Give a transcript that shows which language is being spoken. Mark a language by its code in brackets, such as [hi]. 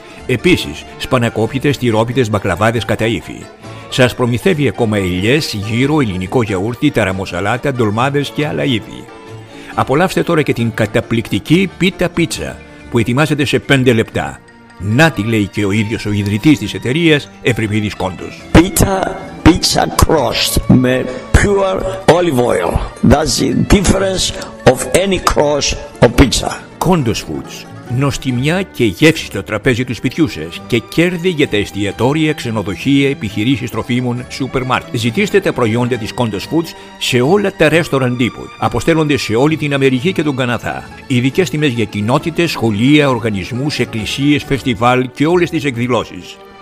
[el] Επίσης, σπανακόπιτες, τυρόπιτες, μπακλαβάδες καταΐφη. Σας προμηθεύει ακόμα ελιές, γύρο, ελληνικό γιαούρτι, ταραμοσαλάτα, ντολμάδες και άλλα είδη. Απολαύστε τώρα και την καταπληκτική πίτα πίτσα που ετοιμάζεται σε 5 λεπτά. Να τη λέει και ο ίδιος ο ιδρυτής της εταιρείας, Ευρυπίδης Κόντος. [en] Πίτα πίτσα crust με pure olive oil. That's the difference of any crust or pizza. [el] Κόντος Foods. Νοστιμιά και γεύση στο τραπέζι του σπιτιού σας και κέρδη για τα εστιατόρια, ξενοδοχεία, επιχειρήσεις τροφίμων, σούπερ μάρκετ. Ζητήστε τα προϊόντα της Condos Foods σε όλα τα restaurant depot. Αποστέλλονται σε όλη την Αμερική και τον Καναδά. Ειδικές τιμές για κοινότητες, σχολεία, οργανισμούς, εκκλησίες, φεστιβάλ και όλες τις εκδηλώσεις.